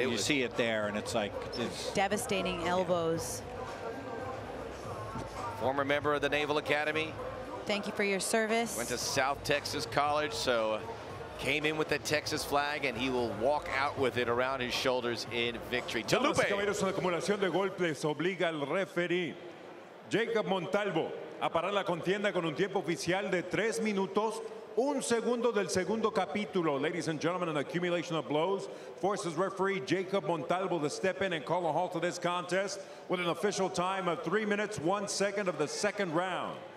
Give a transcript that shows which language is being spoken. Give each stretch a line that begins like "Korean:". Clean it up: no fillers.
English: you see it there, and it's like. It's devastating elbows. Former member of the Naval Academy. Thank you for your service. Went to South Texas College, so came in with the Texas flag, and he will walk out with it around his shoulders in victory. To Lupe.
Spanish: Caballeros, una acumulación de golpes obliga al referee Jacob Montalvo a parar la contienda con un tiempo oficial de 3 minutos, 1 segundo del segundo capítulo.
English: Ladies and gentlemen, an accumulation of blows forces referee Jacob Montalvo to step in and call a halt to this contest with an official time of 3 minutes, 1 second of the second round.